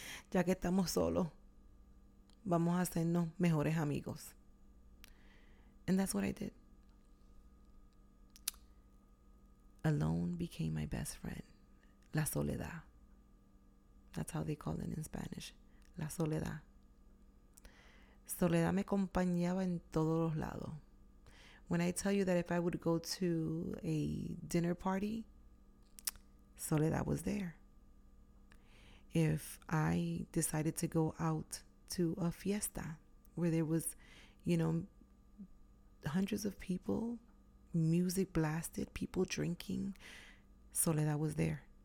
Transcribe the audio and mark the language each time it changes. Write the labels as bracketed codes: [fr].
[es] Ya que estamos solos, vamos a hacernos mejores amigos. [en] And that's what I did. Alone became my best friend. [es] La soledad. [en] That's how they call it in Spanish. [es] La soledad. Soledad me acompañaba en todos los lados. [en] When I tell you that if I would go to a dinner party, Soledad was there. If I decided to go out to a fiesta where there was, you know, hundreds of people, music blasted, people drinking, Soledad was there.